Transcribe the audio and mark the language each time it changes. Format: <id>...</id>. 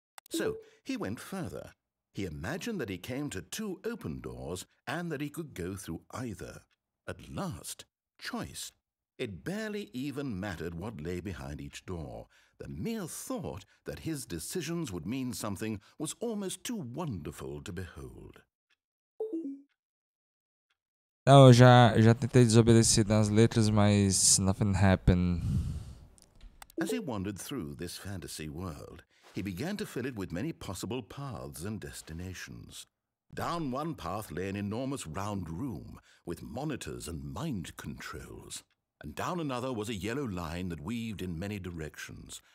<en>So he went further. He imagined that he came to two open doors and that he could go through either. At last, choice. It barely even mattered what lay behind each door. The mere thought that his decisions would mean something was almost too wonderful to behold.</en> <pt>Não, eu já tentei desobedecer nas letras, mas</pt> <en>nothing happened. As he wandered through this fantasy world, he began to fill it with many possible paths and destinations. Down one path lay an enormous round room with monitors and mind controls. And down another was a yellow line that weaved in many directions.</en>